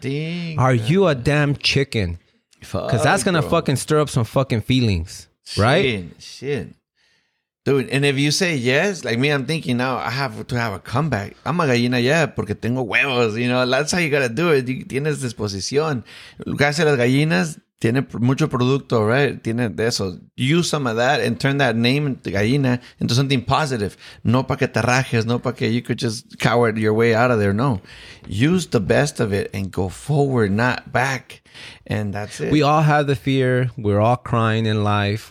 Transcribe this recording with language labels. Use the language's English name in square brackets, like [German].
[English] Dang. Are you a damn chicken? Because that's going to fucking stir up some fucking feelings. Right? Shit. Dude, and if you say yes, like me, I'm thinking now I have to have a comeback. I'm a gallina, [Spanish] porque tengo huevos, [English] you know. That's how you gotta do it. [Spanish] Tienes disposición. Casi las gallinas tiene mucho producto, right? Tiene de eso. [English] Use some of that and turn that name into gallina into something positive. [Spanish] No pa' que te rajes, no pa' que [English] you could just cower your way out of there, [Spanish] no. [English] Use the best of it and go forward, not back. And that's it. We all have the fear. We're all crying in life.